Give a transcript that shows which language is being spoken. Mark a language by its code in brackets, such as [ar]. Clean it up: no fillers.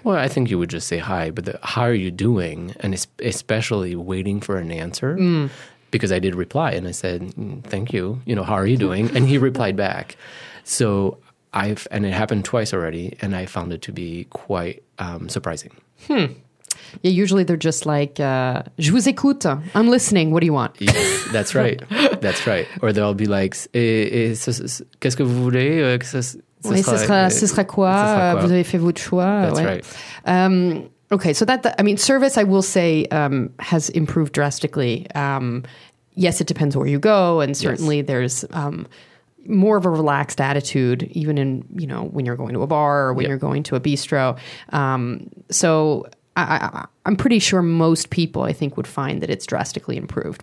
[en] Well, I think you would just say hi, but how are you doing? And especially waiting for an answer, because I did reply and I said, thank you. You know, how are you doing? And he replied back. So and it happened twice already, and I found it to be quite surprising. Yeah, usually they're just like, [fr] je vous écoute. [en] I'm listening. What do you want? Yes, that's right. That's right. Or they'll be like, [fr] qu'est-ce que vous voulez? Ce sera quoi? Vous avez fait votre choix. [en] That's right. Service, I will say, has improved drastically. Yes, it depends where you go. And certainly there's more of a relaxed attitude, even in, you know, when you're going to a bar or when you're going to a bistro. I'm pretty sure most people, I think, would find that it's drastically improved.